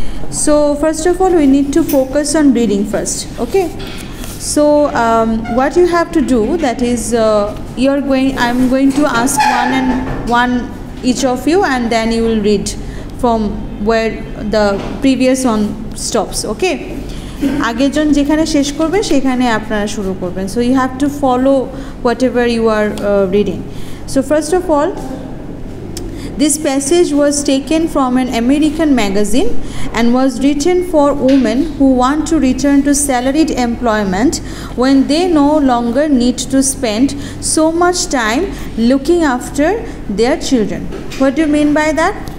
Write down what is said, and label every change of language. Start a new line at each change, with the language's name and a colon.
English: So first of all, we need to focus on reading first. Okay. So what you have to do, that is I'm going to ask each of you, and then you will read from where the previous one stops. Okay.
Bangla: আগে যখন যেখানে শেষ করবে সেখানে আপনারা শুরু করবেন.
English: So you have to follow whatever you are reading. So first of all, this passage was taken from an American magazine and was written for women who want to return to salaried employment when they no longer need to spend so much time looking after their children. What do you mean by that?